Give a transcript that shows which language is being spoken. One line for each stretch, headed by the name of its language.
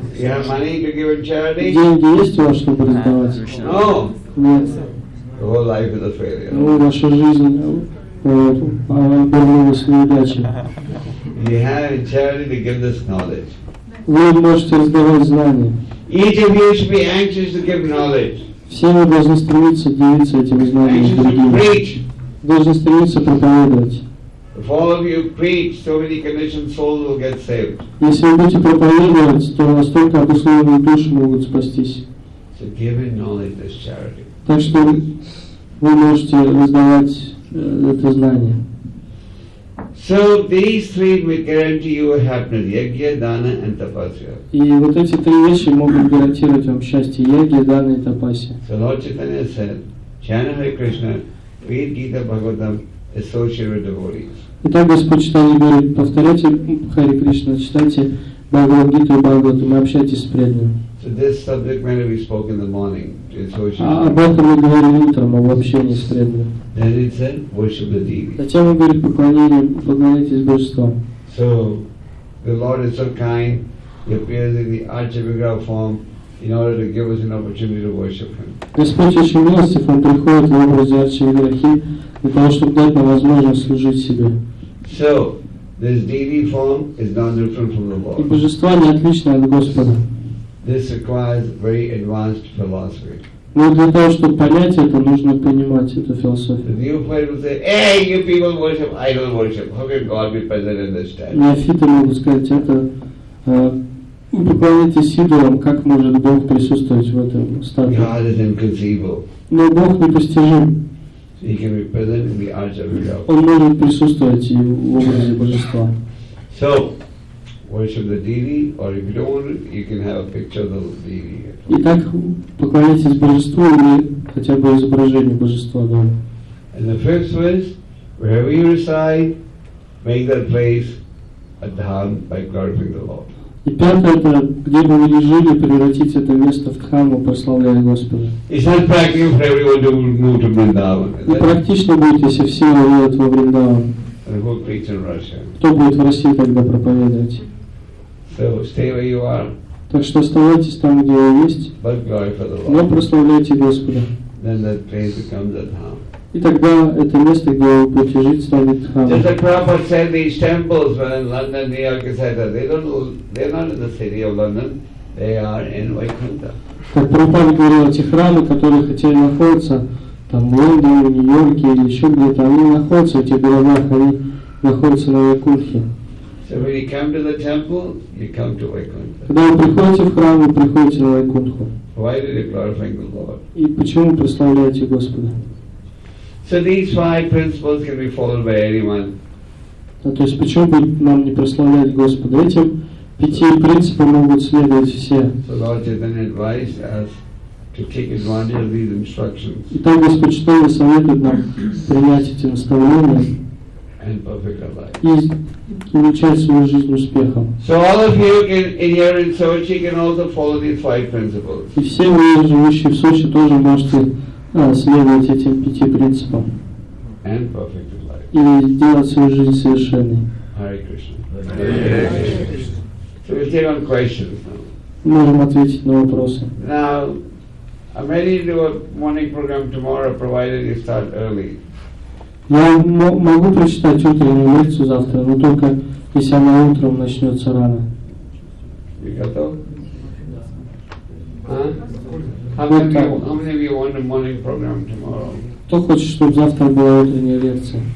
English: You have money to give in charity?
Russian: Деньги есть у вас, чтобы раздавать?
English: No.
Russian: Нет.
English: Your whole life is a failure.
Russian: Ваша жизнь обернулась неудачей.
English: You have charity to give this knowledge.
Russian: Вы можете раздавать знания.
English: Each of you should be anxious to give knowledge.
Russian: Все мы должны стремиться делиться этим знанием.
English: Anxious to preach.
Russian: Должны стремиться проповедовать.
English: If all of you preach, so many conditioned souls will get saved.
Russian: Если вы будете проповедовать, то настолько обусловленные души могут спастись.
English: So giving knowledge is charity.
Russian: Так что вы можете раздавать это знание.
English: So these three will guarantee you happiness: yagya, dana, and tapasya.
Russian: И вот эти три вещи могут гарантировать вам счастье: ягья, дана и тапасья.
English: So Lord Chaitanya said, "Chanting Hare Krishna, read Gita, Bhagavatam, associate with devotees."
Russian: Итак, Господь Читание говорит: повторяйте Хари Кришна, читайте Бхагавад Гиту и Бхагаватам, общайтесь с преданными.
English: So this subject matter we spoke in the morning.
Russian: Об этом мы говорили утром, об общении с преданным.
English: Then it said, worship the deity.
Russian: Затем он говорит, поклоняйтесь божествам.
English: So the Lord is so kind, he appears in the archivigraha form in order to give us an opportunity to worship him.
Russian: Господь очень милостив, он приходит в образе архивиграхи для того, чтобы дать нам возможность служить себе.
English: So this deity form is non-different from the Lord.
Russian: И божество не отличное от Господа.
English: This requires very advanced philosophy.
Russian: Но для того, чтобы понять это, нужно понимать эту философию.
English: The neophyte will say, "Hey, you people worship idol worship. How can God be present in this time?"
Russian: Неофиты могут сказать это: вы поклоняетесь идолам, как может Бог присутствовать в этом стадии?
English: God is inconceivable.
Russian: Но Бог непостижим.
English: So he can be present in the arch of God.
Russian: Он может присутствовать и в образе божества.
English: So. Worship the deity, or if you don't want it, you can have a picture of the deity.
Russian: Итак, поклоняйтесь божеству или хотя бы изображение божества, да.
English: And the fifth is, wherever you reside, make that place a dham by glorifying the Lord.
Russian: И пятое — это где бы вы ни жили, превратите это место в дхаму, прославляя Господа.
English: It's not practical for everyone to move to Vrindavan.
Russian: Не практично будет, если все уедут во Вриндаван.
English: And who will preach in Russia?
Russian: Кто будет в России тогда проповедовать?
English: So stay where you are.
Russian: Так что оставайтесь там, где вы есть, но прославляйте Господа.
English: Then that place becomes a dham.
Russian: И тогда это место, где вы будете жить, станет дхамой.
English: Just like Prabhupada said, these temples were in London, New York, etc. They're not in the city of London, they are in Vaikuntha.
Russian: Как Прабхупада говорил, эти храмы, которые хотели находиться там в Лондоне, Нью-Йорке или еще где-то, они находятся, эти городах, они находятся на Вайкунтхе.
English: So when you come to the temple, you come to Vaikuntha.
Russian: Когда вы приходите в храм, вы приходите на Вайкунтху.
English: Why did you glorify the Lord?
Russian: И почему прославляете Господа?
English: So these five principles can be followed by anyone.
Russian: А то есть почему бы нам не прославлять Господа? Этим пяти принципам могут следовать все.
English: So Lord Chaitanya advised us to take advantage of these instructions.
Russian: Итак, Господь Читание советует нам принять эти наставления.
English: And perfect
Russian: life. И получать свою жизнь успехом.
English: So all of you can, in here in Sochi can also follow these five principles.
Russian: И все вы, живущие в Сочи, тоже можете следовать этим пяти принципам.
English: And perfect life.
Russian: И сделать свою жизнь совершенной.
English: Hare Krishna. Hare Krishna. Hare Krishna. So we'll take on questions now.
Russian: Можем ответить на вопросы.
English: Now, I'm ready to do a morning program tomorrow, provided you start early.
Russian: Я могу прочитать утреннюю лекцию завтра, но только если она утром начнется рано. Вы готовы?
English: How many of you want a morning program tomorrow?
Russian: Кто хочет, чтобы завтра была утренняя лекция?